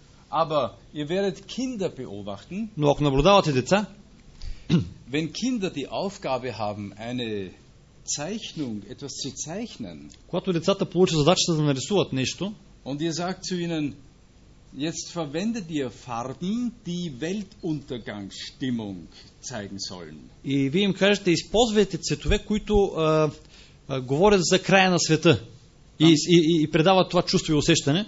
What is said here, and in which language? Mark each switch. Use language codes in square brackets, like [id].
[de] Aber ihr werdet Kinder beobachten. [bg] Но ако наблюдавате деца, [de] wenn Kinder die Aufgabe haben, eine Zeichnung, etwas zu zeichnen, [bg] когато децата получат задачата да нарисуват нещо, [de] und ihr sagt zu ihnen, jetzt verwendet ihr Farben, die Weltuntergangsstimmung zeigen sollen. [bg] И вие им кажете, използвайте цветове, които говорят за края на света и предават това чувство и усещане.